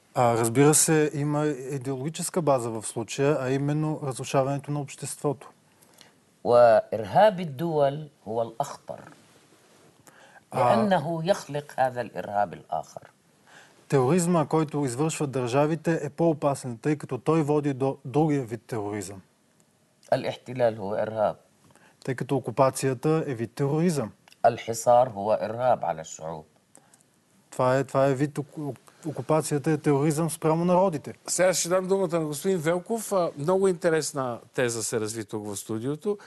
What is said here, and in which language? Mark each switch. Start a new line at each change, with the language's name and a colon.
Bulgarian: Разбира се, има идеологическа база в случая, а именно разрушаването на обществото.
Arabic: Ва ирхаб ид дуал, хуа ал ахтар. لأنه يخلق هذا الإرهاب الآخر.
Bulgarian: Тероризма, който извършват държавите, е по-опасен, тъй като той води до другия вид тероризъм.
Arabic: الاحتلال هو إرهاب.
Bulgarian: Тъй като окупацията е вид тероризъм.
Arabic: الحصار هو إرهاب على الشعوب.
Bulgarian: Това е вид, окупацията е тероризъм спрямо народите. Сега ще дам думата на господин Велков. Много интересна теза се разви тук в студиото.